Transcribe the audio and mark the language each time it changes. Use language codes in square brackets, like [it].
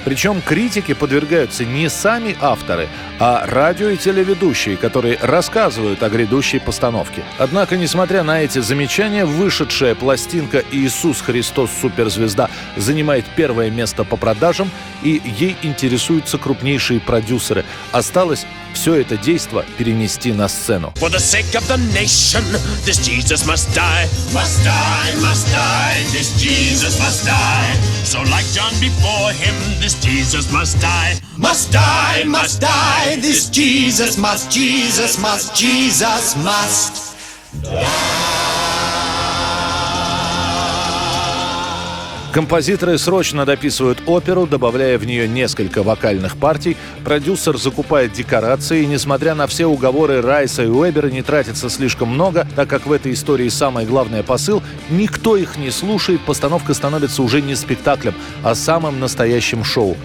[ru] Причем критике подвергаются не сами авторы, а радио и телеведущие, которые рассказывают о грядущей постановке. Однако, несмотря на эти замечания, вышедшая пластинка «Иисус Христос. Суперзвезда» занимает первое место по продажам, и ей интересуются крупнейшие продюсеры. Осталось все это действо перенести на сцену. [en] For the sake of the nation, this Jesus must die. Must die, must die, this Jesus must die. So like John before him, this Jesus must die. Must die, must die, this Jesus must, Jesus must, Jesus must die. [ru] Композиторы срочно дописывают оперу, добавляя в нее несколько вокальных партий. Продюсер закупает декорации, и несмотря на все уговоры Райса и Уэбера не тратится слишком много, так как в этой истории самое главное посыл – никто их не слушает, постановка становится уже не спектаклем, а самым настоящим шоу.